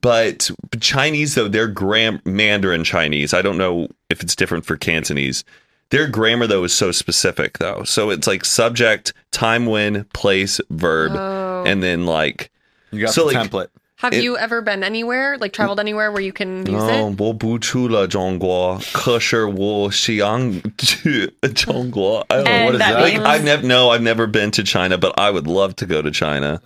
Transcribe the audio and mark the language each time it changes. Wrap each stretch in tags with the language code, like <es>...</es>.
<en>but Chinese, though, they're Mandarin Chinese. I don't know if it's different for Cantonese. Their grammar, though, is so specific, though. So it's like subject, time, when, place, verb, and then like... You got the template. Have you ever been anywhere, like traveled anywhere where you can use it?</en> <zh>No, 我不去了中国，可是我想去中国。</zh> <en>I don't know, what is that? Like, I've never been to China, but I would love to go to China.</en>